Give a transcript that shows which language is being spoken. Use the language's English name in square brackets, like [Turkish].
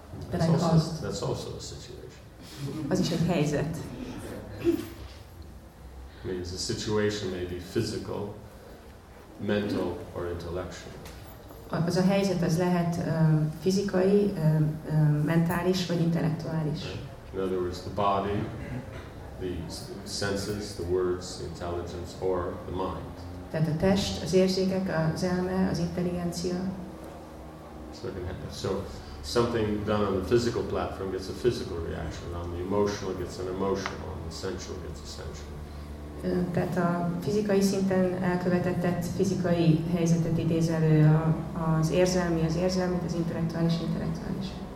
[English] That's also a situation. [Hungarian] Az is egy helyzet. [English] Means the situation may be physical, mental, or intellectual. [Hungarian] Az a helyzet az lehet fizikai, mentális vagy intellektuális. [English] Right. In other words, the body, the senses, the words, the intelligence, or the mind. [Hungarian] Tehát a test, az érzékek, az elme, az intelligencia. [English] So something done on the physical platform gets a physical reaction, on the emotional gets an emotional, on the sensual gets a sensual. [Hungarian] Tehát a fizikai szinten elkövetett fizikai helyzetet idéz elő, az érzelmi az érzelmet, az intellektuális intellektuális.